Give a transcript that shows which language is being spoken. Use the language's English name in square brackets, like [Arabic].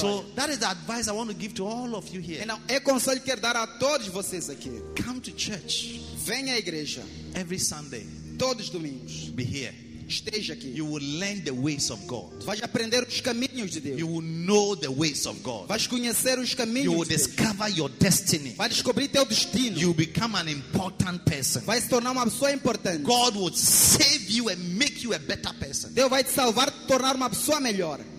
[English] So that is the advice I want to give to all of you here. [Portuguese] E é conselho que quero dar a todos vocês aqui. [English] Come to church. [Portuguese] Venha à igreja. [English] Every Sunday. [Portuguese] Todos os domingos. [English] Be here. [Portuguese] Esteja aqui. [English] You will learn the ways of God. [Portuguese] Vai aprender os caminhos de Deus. [English] You will know the ways of God. [Portuguese] Vai conhecer os caminhos. [English] You will discover your destiny. [Portuguese] Vai descobrir teu destino. [English] You become an important person. [Portuguese] Vai se tornar uma pessoa importante. [English] God will save you and make you a better person. [Portuguese] Deus vai te salvar, te tornar uma pessoa melhor.